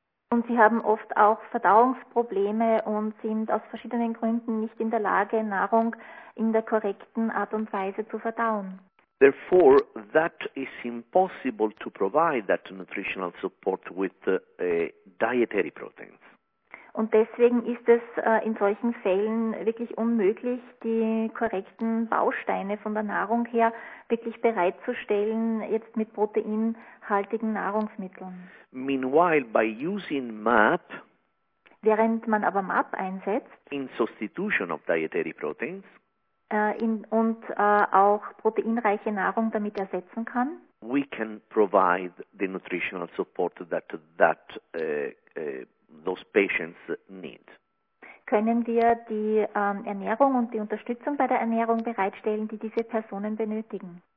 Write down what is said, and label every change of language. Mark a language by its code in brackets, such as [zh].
[de] Und sie haben oft auch Verdauungsprobleme und sind aus verschiedenen Gründen nicht in der Lage, Nahrung in der korrekten Art und Weise zu verdauen. [en] Therefore, that is impossible to provide that nutritional support with dietary proteins. [de] Und deswegen ist es in solchen Fällen wirklich unmöglich, die korrekten Bausteine von der Nahrung her wirklich bereitzustellen, jetzt mit proteinhaltigen Nahrungsmitteln. [en] Meanwhile, by using MAP, [de] während man aber MAP einsetzt, [en] in substitution of dietary proteins, [de] auch proteinreiche Nahrung damit ersetzen kann, [en] we can provide the nutritional support those patients need. [de] Können wir die Ernährung und die Unterstützung bei der Ernährung bereitstellen, die diese Personen benötigen?